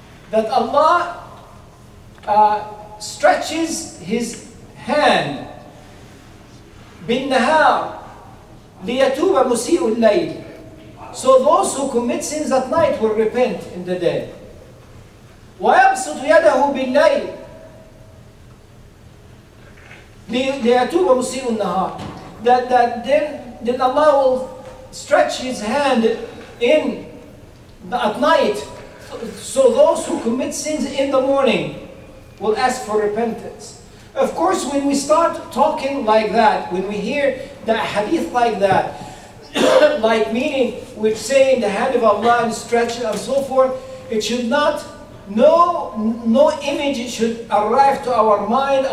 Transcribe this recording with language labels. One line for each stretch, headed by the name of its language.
English: That Allah stretches His hand
Arabic: بالنهار ليتوب مسيء الليل.
English: So those who commit sins at night will repent in the day.
Arabic: ويبسط يده بالليل ليتوب مسيء النهار.
English: That then Allah will stretch His hand in at night, so those who commit sins in the morning will ask for repentance. Of course, when we start talking like that, when we hear that hadith like that, like meaning we're saying the hand of Allah and stretching and so forth, it should not, no image should arrive to our mind.